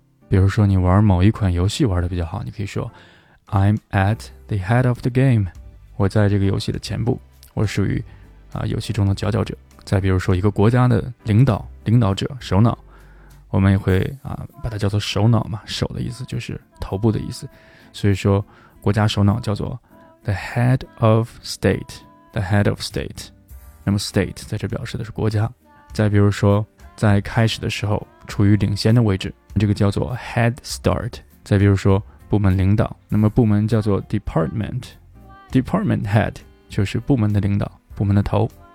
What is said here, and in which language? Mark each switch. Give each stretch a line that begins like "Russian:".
Chinese: 比如说你玩某一款游戏玩的比较好，你可以说
English: I'm at the head of the game,
Chinese: 我在这个游戏的前部，我属于游戏中的佼佼者。再比如说一个国家的领导者首脑，我们也会把它叫做首脑嘛，首的意思就是头部的意思。所以说国家首脑叫做
English: the head of state,
Chinese: the head of state。那么 state 在这表示的是国家。再比如说在开始的时候处于领先的位置，这个叫做 head start。再比如说部门领导，那么部门叫做 department, department head 就是部门的领导，部门的头。